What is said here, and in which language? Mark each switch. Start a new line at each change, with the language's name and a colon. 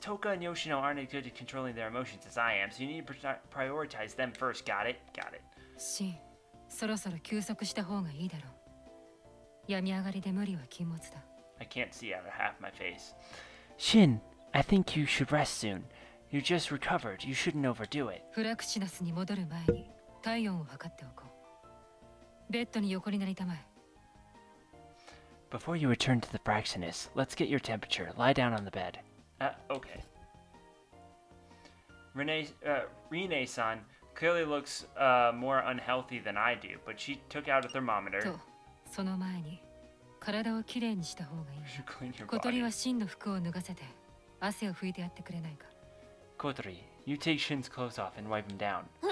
English: Toka and Yoshino aren't as good at controlling their emotions as I am, so you need to prioritize them first. Got it? Got it.
Japanese: Shin, そろそろ休息した方がいいだろう。病み上がりで無理は禁物だ。
English: I can't see out of half my face. Shin, I think you should rest soon. You just recovered. You shouldn't overdo it.
Japanese: フラクシナスに戻る前に体温を測っておこう。ベッドに横になりたまえ。
English: Before you return to the Fraxinus, let's get your temperature. Lie down on the bed. Okay. Rinne-san clearly looks more unhealthy than I do, but she took out a thermometer.
Japanese: その前に、体をきれいにした方がいい。
English: You should clean your body.
Japanese: 小鳥はシンの服を脱がせて、汗を拭いてやってくれないか。
English: 小鳥、you take Shin's clothes off and wipe him down.